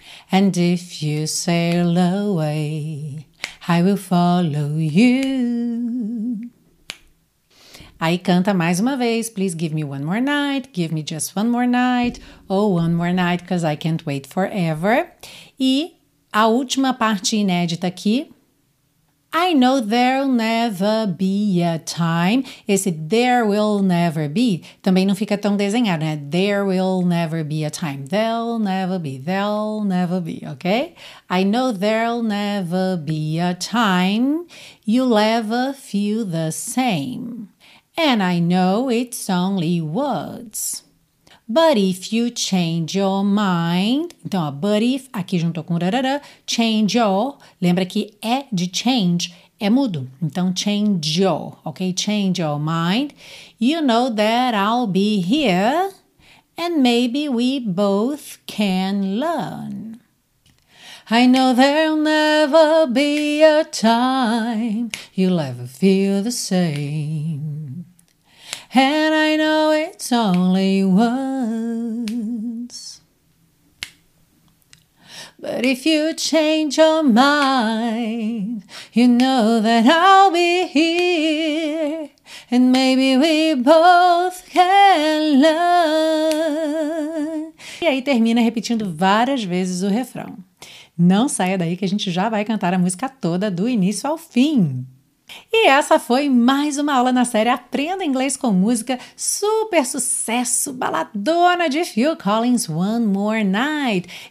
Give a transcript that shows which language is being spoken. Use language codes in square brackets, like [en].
[en] And if you sail away, I will follow you. [pt] Aí canta mais uma vez. [en] Please give me one more night. Give me just one more night. Oh, one more night, because I can't wait forever. [pt] E a última parte inédita aqui. [en] I know there'll never be a time. [pt] Esse [en] there will never be [pt] também não fica tão desenhado, né? [en] There will never be a time. There'll never be, ok? I know there'll never be a time you'll ever feel the same. And I know it's only words. But if you change your mind, [pt] então, [en] but if, [pt] aqui juntou com rarara, [en] change your, [pt] lembra que é de change, é mudo. Então, [en] change your, ok? Change your mind. You know that I'll be here and maybe we both can learn. I know there'll never be a time you'll ever feel the same. And I know it's only once. But if you change your mind, you know that I'll be here. And maybe we both can learn. [pt] E aí termina repetindo várias vezes o refrão. Não saia daí que a gente já vai cantar a música toda do início ao fim. E essa foi mais uma aula na série Aprenda Inglês com Música, super sucesso, baladona de Phil Collins, One More Night.